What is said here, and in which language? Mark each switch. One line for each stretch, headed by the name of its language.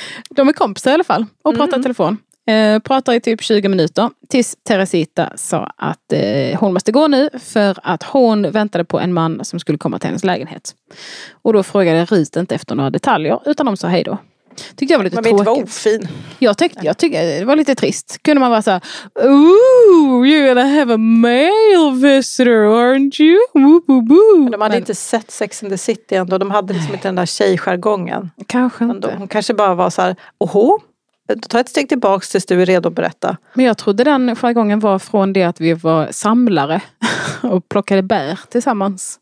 Swedish: De är kompisar i alla fall. Och pratar i telefon. Pratar i typ 20 minuter. Tills Teresita sa att hon måste gå nu. För att hon väntade på en man som skulle komma till hennes lägenhet. Och då frågade Rut inte efter några detaljer. Utan de sa hej då. Tyckte jag var lite tråkigt. Men det var ofin. Jag tyckte det var lite trist. Kunde man vara så här,
English: ooh, you're gonna have a male visitor, aren't you? Woo, woo, woo.
Swedish: Men de hade inte sett Sex and the City ändå. De hade liksom inte den där tjejjargongen. Kanske inte. Hon kanske bara var så här, oho, då tar ett steg tillbaka tills du är redo att berätta. Men jag trodde den jargongen var från det att vi var samlare och plockade bär tillsammans.